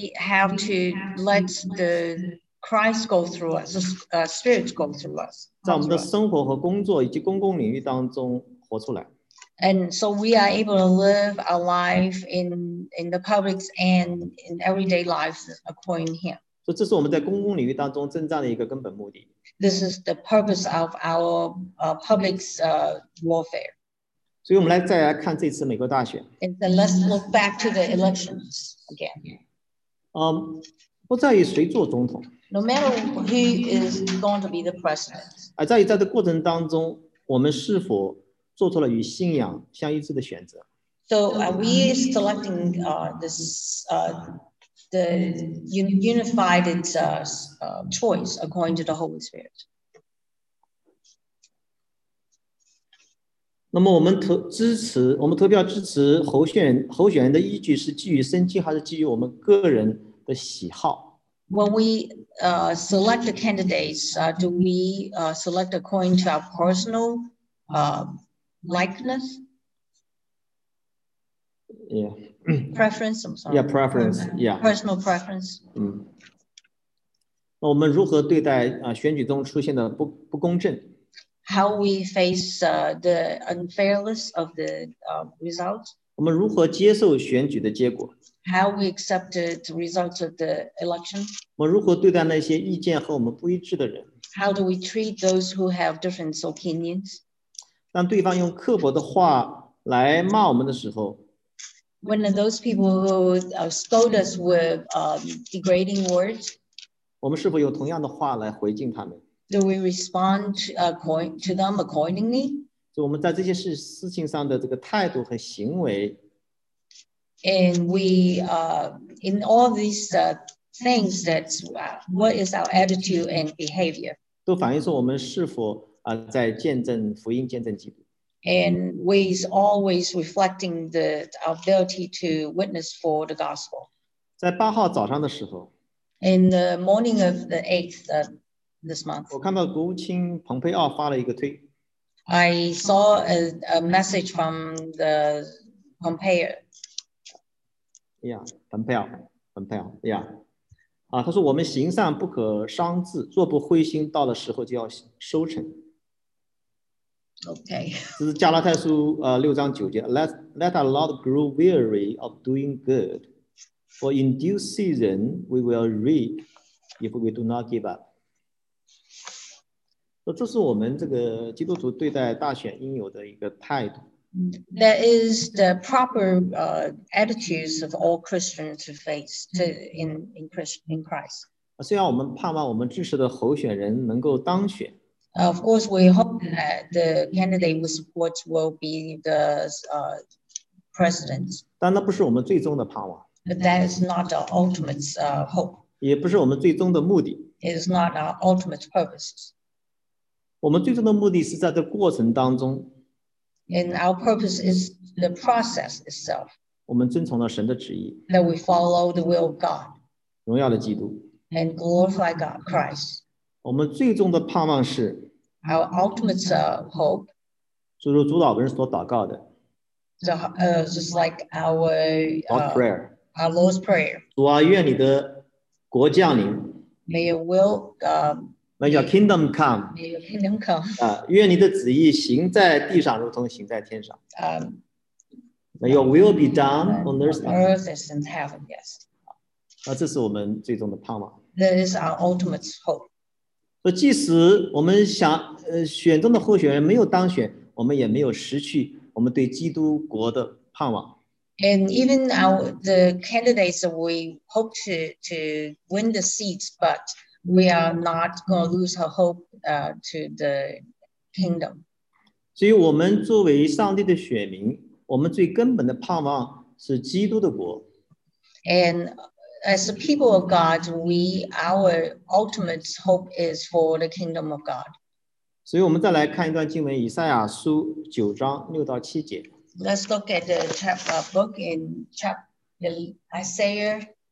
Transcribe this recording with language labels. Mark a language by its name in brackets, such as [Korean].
[English] We have to let the Christ go through us, the Spirit go through us. [Chinese] 在我们的生活和工作以及公共领域当中活出来。 [English] And so we are able to live our life in the public and in everyday life according to Him. [Chinese] 所以这是我们在公共领域当中征战的一个根本目的。 [English] This is the purpose of our public warfare. [Chinese] 所以我们来再来看这次美国大选。 [English] And then let's look back to the elections again. [Chinese] 不在于谁做总统。 [English] No matter who is going to be the president. [Chinese] 而在于在这过程当中，我们是否做出了与信仰相一致的选择。 [English] So are we selecting the unified choice according to the Holy Spirit? [Chinese] 那么我们投票支持候选人的依据是基于圣经，还是基于我们个人的喜好 [English] ？When we select the candidates, do we select according to our personal likeness? Preference. I'm sorry. Yeah, preference. Yeah. Personal preference. [Chinese] 那我们如何对待选举中出现的不公正？ [English] How we face the unfairness of the results? [Chinese] 我们如何接受选举的结果？ [English] How we accept the results of the election? [Chinese] 我们如何对待那些意见和我们不一致的人？ [English] How do we treat those who have different opinions? [Chinese] 当对方用刻薄的话来骂我们的时候， [English] When those people who scold us with degrading words, [Chinese] 我们是否用同样的话来回敬他们？ [English] Do we respond to them accordingly? [Chinese] So, 我们在这些事情上的这个态度和行为。 [English] And we, in all these things, that's what is our attitude and behavior. [Chinese] 都反映出我们是否在见证福音、见证基督。 [English] And we is always reflecting the ability to witness for the gospel. [Chinese] 在八号早上的时候。 [English] in the morning of the 8th of this month. [Chinese] 我看到国务卿蓬佩奥发了一个推。 [English] I saw a message from the Pompeo. Yeah, Pompeo, yeah. [Chinese] 啊，他说我们行善不可伤志，若不灰心，到了时候就要收成。 [English] Okay. [Chinese] 这是加拉太书六章九节 [English] ，Let our Lord grow weary of doing good, for in due season we will reap if we do not give up. [Chinese] 说这是我们这个基督徒对待大选应有的一个态度。 [English] That is the proper attitudes of all Christians to face to in Christ. [Chinese] 虽然我们盼望我们支持的候选人能够当选。 [English] Of course, we hope that the candidate we support will be the president. [Chinese] 但那不是我们最终的盼望。 [English] But that is not our ultimate hope. [Chinese] 也不是我们最终的目的。 [English] It is not our ultimate purpose. [Chinese] 我们最终的目的是在这过程当中。 [English] And our purpose is the process itself. [Chinese] 我们遵从了神的旨意。 [English] That we follow the will of God. [Chinese] 荣耀的基督。 [English] And glorify God, Christ. [Chinese] 我们最终的盼望是。 [English] Our ultimate hope. [Chinese] 就是主祷文所祷告的。 [English] Just like our prayer. Our Lord's prayer. [Chinese] 主啊，愿你的国降临。 [English] May your will May your kingdom come. May your kingdom come. [Chinese] 愿你的旨意行在地上，如同行在天上。 [English] May your will be done on earth as in heaven. Yes. [Chinese] 这是我们最终的盼望。 [English] That is our ultimate hope. [Chinese] 所以，即使我们想选中的候选人没有当选，我们也没有失去我们对基督国的盼望。 [English] And even the candidates that we hope to win the seats, but We are not going to lose our hope to the kingdom. [Chinese] 所以我们作为上帝的选民，我们最根本的盼望是基督的国。 [English] And as the people of God, our ultimate hope is for the kingdom of God. [Chinese] 所以我们再来看一段经文，以赛亚书九章六到七节。 [English] Let's look at the book in chapter Isaiah.